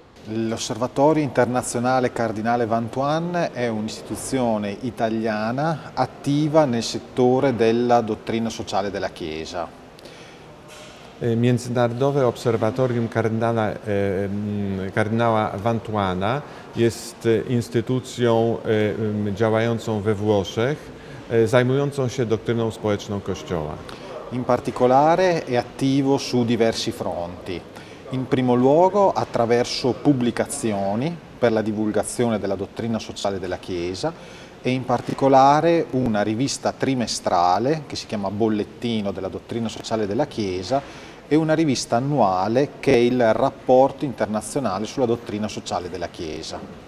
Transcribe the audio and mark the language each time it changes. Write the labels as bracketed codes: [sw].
[it] L'Osservatorio Internazionale Cardinale Vantuan è un'istituzione italiana attiva nel settore della dottrina sociale della Chiesa. [pl] Międzynarodowe Obserwatorium kardynała Wantuana jest instytucją działającą we Włoszech, zajmującą się dottryną społeczną Kościoła. [it] In particolare è attivo su diversi fronti. In primo luogo attraverso pubblicazioni per la divulgazione della dottrina sociale della Chiesa e in particolare una rivista trimestrale che si chiama Bollettino della dottrina sociale della Chiesa e una rivista annuale che è il Rapporto internazionale sulla dottrina sociale della Chiesa.